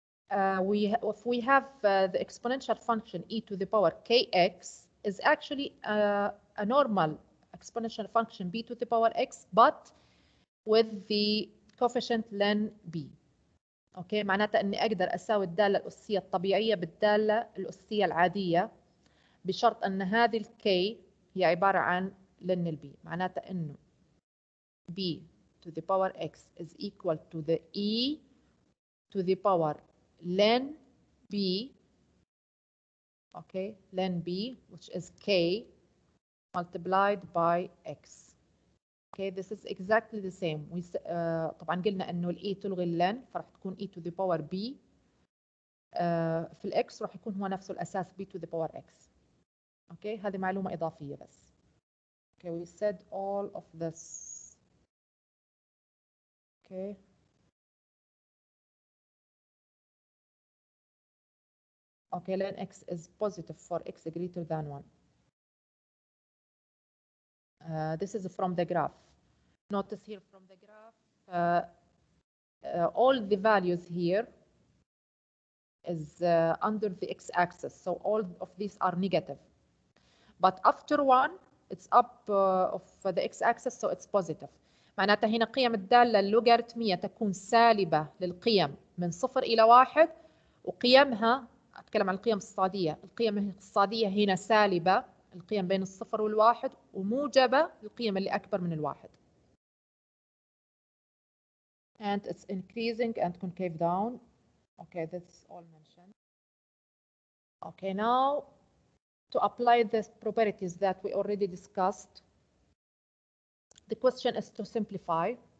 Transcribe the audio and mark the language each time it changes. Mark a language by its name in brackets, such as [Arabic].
[English] If we have the exponential function e to the power kx is actually a normal exponential function b to the power x, but with the coefficient len b. [Arabic] Okay, معناته أني أقدر أساوي الدالة الأسية الطبيعية بالدالة الأسية العادية بشرط أن هذه الk هي عبارة عن len b. معناته أنه [English] b to the power x is equal to the e to the power len b, okay, len b, which is k, multiplied by x. Okay, this is exactly the same. [Arabic] We طبعا قلنا انه الاي تلغي اللن فراح تكون اي تو ذا باور بي في الاكس راح يكون هو نفسه الاساس بي تو ذا باور اكس. اوكي هذه معلومه اضافيه بس. [English] Okay, we said all of this. Okay. Okay, ln x is positive for x greater than 1. This is from the graph. Notice here from the graph, all the values here is under the x-axis. So all of these are negative. But after 1, it's up of the x-axis, so it's positive. [Arabic] معناتها هنا قيم الدالة اللوغاريتمية تكون سالبة للقيم من 0 إلى 1 وقيمها أتكلم عن القيم الاقتصادية، القيم الاقتصادية هنا سالبة، القيم بين الصفر والواحد وموجبة القيم اللي أكبر من الواحد. [English] And it's increasing and concave down. Okay, that's all mentioned. Okay, now to apply the properties that we already discussed, the question is to simplify.